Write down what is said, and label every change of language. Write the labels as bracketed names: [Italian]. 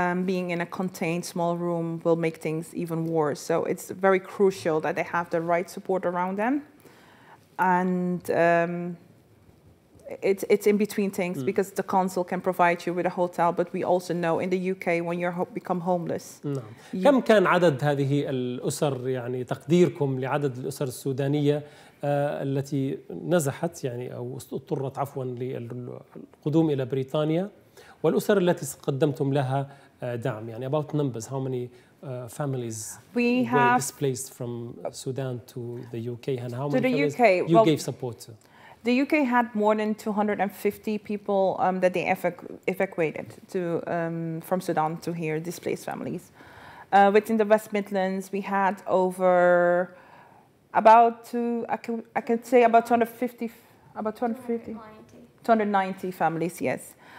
[English] Being in a contained small room will make things even worse. So it's very crucial that they have the right support around them. And it's in between things because the council can provide you with a hotel, but we also know in the UK when you become homeless. [Arabic] كم كان عدد هذه الأسر، يعني تقديركم لعدد الأسر السودانية التي نزحت يعني أو اضطرت عفوا للقدوم إلى بريطانيا، والأسر التي قدمتم لها دعم؟ يعني [English] about numbers, how many families were displaced from Sudan to the UK and how many families you gave support to? The UK had more than 250 people that they evacuated to from Sudan to here, displaced families. Within the West Midlands, we had over about 290 families, yes.